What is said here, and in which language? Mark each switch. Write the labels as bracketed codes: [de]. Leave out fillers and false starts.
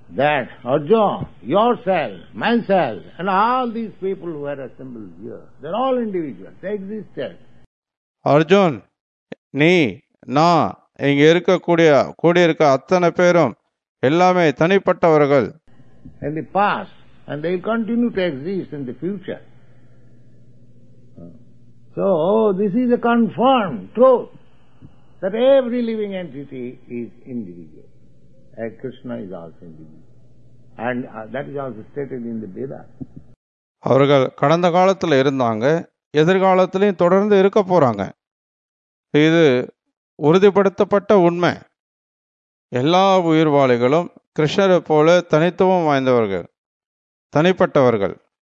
[en] That Arjun, yourself, myself, and all these people who are assembled here, they're all individuals. They existed. [ta] Arjun, நீ, நான், இங்க இருக்கக்கூடிய கூடியிருக்க அத்தனை பேரும் எல்லாமே தனிப்பட்டவர்கள். [en] In the past, and they continue to exist in the future. So, this is a confirmed truth that every living entity is individual. And Krishna is also individual. And that is also stated in the Vedas. [ta] அவர்கள் கடந்த காலத்தில் இருந்தாங்க, எதிர்காலத்திலையும் தொடர்ந்து இருக்க போறாங்க. இது உறுதிப்படுத்தப்பட்ட உண்மை. எல்லா உயிர்வாளிகளும் கிருஷ்ணரை போல தனித்துவம் வாய்ந்தவர்கள், தனிப்பட்டவர்கள்.